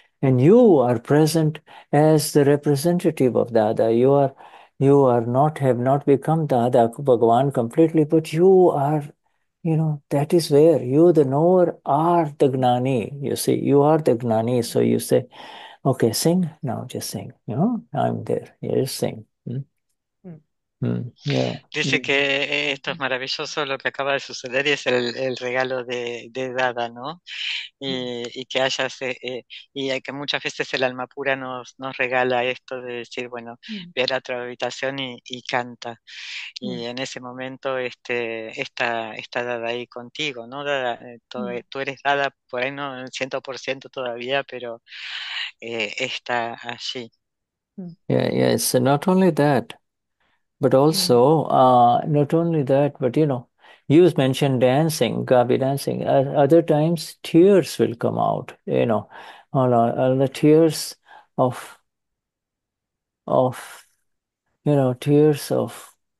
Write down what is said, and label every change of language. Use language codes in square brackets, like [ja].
[en] And you are present as the representative of Dada. Have not become Dada Bhagwan completely, but you are, that is where you, the knower, are the Gnani. You see, you are the Gnani. So you say, okay, sing now, just sing. I'm there. Yes, sing. [es] Dice que esto es maravilloso lo que acaba de suceder y es el regalo de Dada, ¿no? Y que hayas, y que muchas veces el alma pura nos regala esto de decir, bueno, ve a la otra habitación y canta. Y en ese momento está Dada ahí contigo, ¿no? Dada, tú eres Dada, por ahí no en 100% todavía, pero está allí. [en] Yes, and not only that, but also not only that, but you mentioned dancing, Gabi dancing. Other times, tears will come out. All the tears of tears of